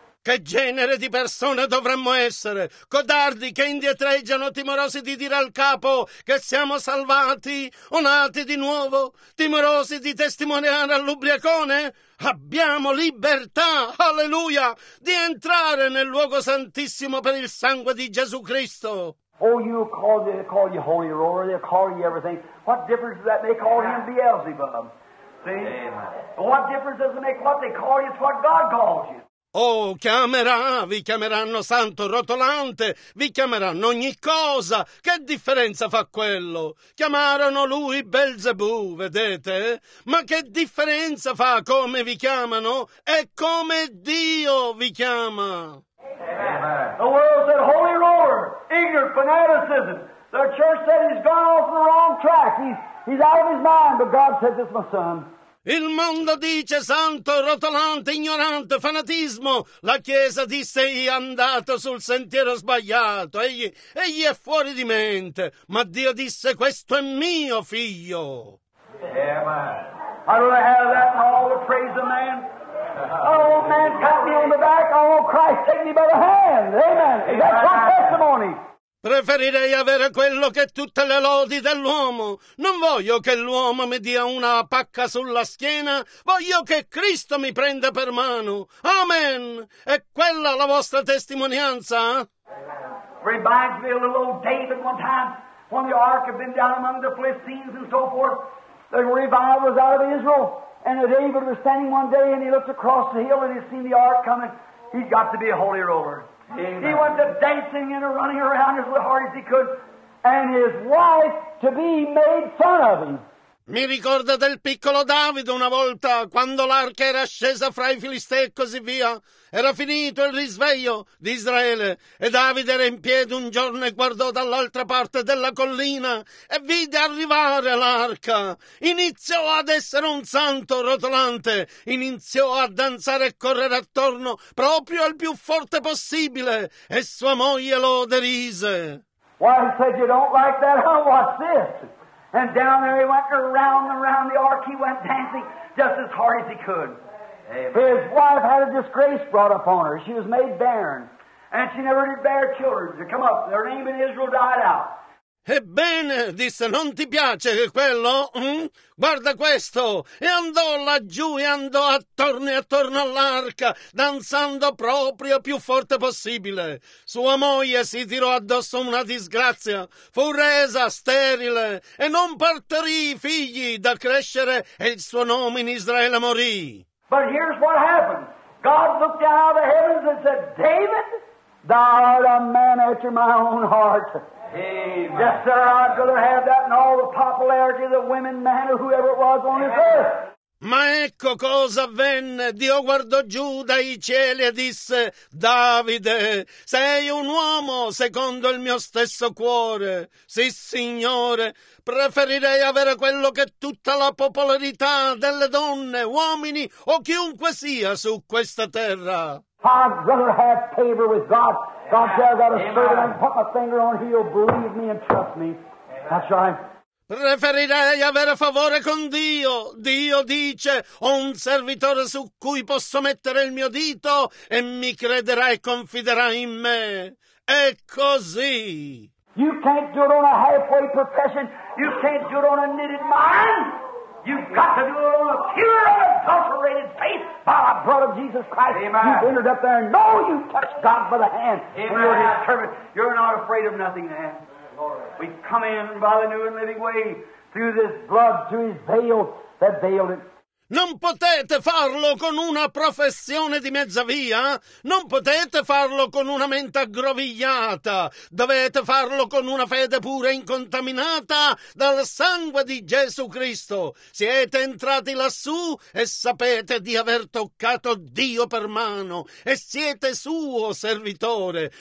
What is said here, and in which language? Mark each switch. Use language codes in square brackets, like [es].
[it] Che genere di persone dovremmo essere? Codardi che indietreggiano, timorosi di dire al capo che siamo salvati o nati di nuovo? Timorosi di testimoniare all'ubriacone? Abbiamo libertà, alleluia, di entrare nel luogo santissimo per il sangue di Gesù Cristo. [en] Oh, you call you Holy Roar, they call you everything. What difference does that make? Call him Beelzebub. See? What difference does it make what they call you? It's what God calls you. [it] Oh, chiamerà, vi chiameranno santo rotolante, vi chiameranno ogni cosa. Che differenza fa quello? Chiamarono lui Belzebù, vedete? Ma che differenza fa come vi chiamano e come Dio vi chiama? Amen. [en] The world said holy roar, ignorant fanaticism. The church said he's gone off the wrong track. He's out of his mind, but God said this, my son. [it] Il mondo dice santo, rotolante, ignorante, fanatismo. La Chiesa disse egli è andato sul sentiero sbagliato, egli è fuori di mente. Ma Dio disse questo è mio figlio. Amen. [en] I don't have that in all the praise of man. Oh, man, pat me on the back. Oh, Christ, take me by the hand. Amen. That's my testimony. [it] Preferirei avere quello che tutte le lodi dell'uomo. Non voglio che l'uomo mi dia una pacca sulla schiena, voglio che Cristo mi prenda per mano. Amen. È quella la vostra testimonianza? [en] Reminds me a little old David one time when the ark had been down among the Philistines and so forth. The revival was out of Israel. And David was standing one day and he looked across the hill and he seen the ark coming. He's got to be a holy roller. Amen. He went to dancing and running around as hard as he could, and his wife to be made fun of him. [it] Mi ricorda del piccolo Davide una volta, quando l'arca era scesa fra i Filistei e così via. Era finito il risveglio di Israele, e Davide era in piedi un giorno e guardò dall'altra parte della collina e vide arrivare l'arca. Iniziò ad essere un santo rotolante, iniziò a danzare e correre attorno proprio il più forte possibile, e sua moglie lo derise. [en] Why, he said, you don't like that? I'll watch this. And down there he went around and around the ark. He went dancing just as hard as he could. Amen. His wife had a disgrace brought upon her. She was made barren. And she never did bear children. To come up, their name in Israel died out. [it] Ebbene, disse, non ti piace quello? Mm? Guarda questo! E andò laggiù e andò attorno e attorno all'arca, danzando proprio più forte possibile. Sua moglie si tirò addosso una disgrazia, fu resa sterile e non partorì figli da crescere, e il suo nome in Israele morì. [en] But here's what happened. God looked down out of the heavens and said, David, thou art a man after my own heart. Amen. Yes, sir, I'd rather have that than all the popularity of the women, man, or whoever it was on this earth. [it] Ma ecco cosa avvenne. Dio guardò giù dai cieli e disse, Davide, sei un uomo secondo il mio stesso cuore. Sì, Signore, preferirei avere quello che tutta la popolarità delle donne, uomini o chiunque sia su questa terra. [en] I'd rather have favor with God. God says, I've got a servant, put my finger on him, he'll believe me and trust me. That's right. [it] Preferirei avere favore con Dio. Dio dice, ho un servitore su cui posso mettere il mio dito e mi crederà e confiderà in me. È così. [en] You can't do it on a halfway profession. You can't do it on a knitted mind. You've got to do it on a pure unadulterated faith by the blood of Jesus Christ. Amen. You've entered up there and know you touched God by the hand. Amen. And you're determined. You're not afraid of nothing, man. We come in by the new and living way through this blood, through his veil that veiled it. [it] Non potete farlo con una professione di mezza via. Non potete farlo con una mente aggrovigliata. Dovete farlo con una fede pura e incontaminata dal sangue di Gesù Cristo. Siete entrati lassù e sapete di aver toccato Dio per mano e siete suo servitore.